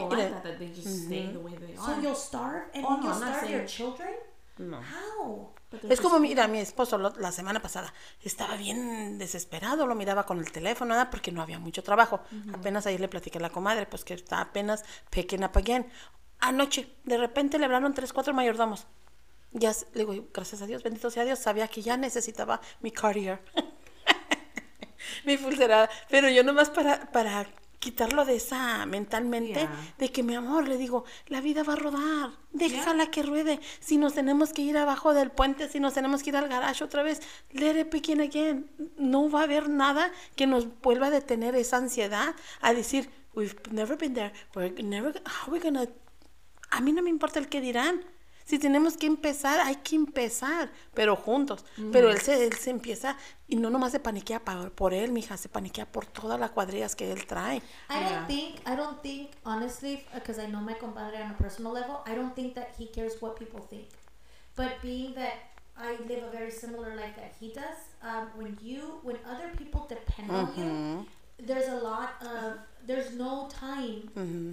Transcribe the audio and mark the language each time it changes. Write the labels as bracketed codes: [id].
[en] Like that they just stay the way they are. So you'll starve and you'll starve saying... your children? No. How? [es] Es como, mira, mi esposo la semana pasada estaba bien desesperado, lo miraba con el teléfono, ¿verdad? Porque no había mucho trabajo. Uh-huh. Apenas ayer le platiqué a la comadre, pues que está apenas [en] picking up again. [es] Anoche, de repente le hablaron 3-4 mayordomos. Ya, le digo, gracias a Dios, bendito sea Dios, sabía que ya necesitaba mi courier, mi pulserada. Pero yo nomás para quitarlo de esa mentalmente, de que, mi amor, le digo, la vida va a rodar, déjala que ruede. Si nos tenemos que ir abajo del puente, si nos tenemos que ir al garage otra vez, [en] let it begin again. [es] No va a haber nada que nos vuelva a detener esa ansiedad a decir, [en] we've never been there, we're never, how are we gonna, [es] a mí no me importa el qué dirán. Si tenemos que empezar, hay que empezar, pero juntos. Mm-hmm. Pero él se empieza, y no nomás se paniquea por él, mija, se paniquea por todas las cuadrillas que él trae. [en] I don't think, honestly, because I know my compadre on a personal level, I don't think that he cares what people think. But being that I live a very similar life that he does, when other people depend on you, there's a lot of, there's no time. Mm-hmm.